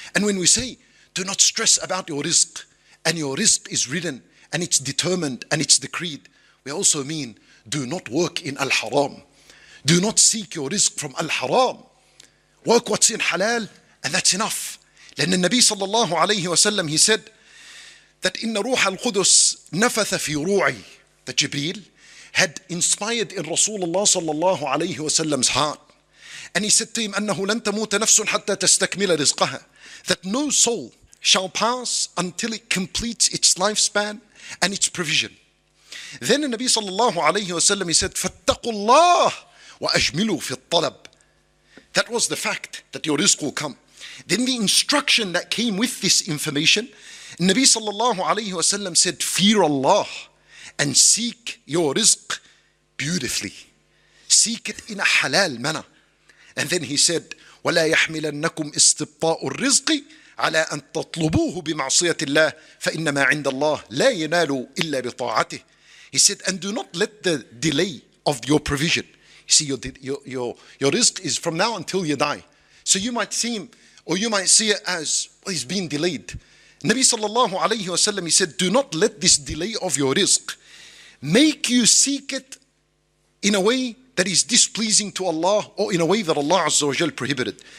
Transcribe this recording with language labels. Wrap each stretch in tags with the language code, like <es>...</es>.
<en>And when we say, do not stress about your rizq, and your rizq is written, and it's determined, and it's decreed, we also mean, do not work in al-haram. Do not seek your rizq from al-haram. Work what's in halal, and that's enough.</en> <ar>لأن النبي صلى الله عليه وسلم,</ar> <en>he said,</en> <ar>that إن روح القدس نفث في روعي,</ar> <en>that Jibreel had inspired in</en> <ar>رسول الله صلى الله عليه وسلم's heart.</ar> <en>And he said to him,</en> <ar>أنه لن تموت نفس حتى تستكمل رزقها,</ar> <en>that no soul shall pass until it completes its lifespan and its provision. Then the Nabi</en> <ar>صلى الله عليه وسلم, he said, فاتقوا الله وأجملوا في الطلب.</ar> <en>That was the fact that your rizq will come. Then the instruction that came with this information, Nabi صلى الله عليه وسلم said, fear Allah and seek your rizq beautifully. Seek it in a halal manner.</en> <ar>And then he said, وَلَا يَحْمِلَنَّكُمْ إِسْتِبْطَاءُ الرِّزْقِ عَلَى أَن تَطْلُبُوهُ بِمَعْصِيَةِ اللَّهِ فَإِنَّمَا عِنْدَ اللَّهِ لَا يَنَالُ إِلَّا بِطَاعَتِهِ.</ar> <en>He said, and do not let the delay of your provision. You see, your rizq is from now until you die. So you might seem, or you might see it as, well, he's being delayed. Nabi sallallahu alayhi wa sallam, he said, do not let this delay of your rizq make you seek it in a way that is displeasing to Allah, or in a way that Allah Azza wa Jal prohibited.</en>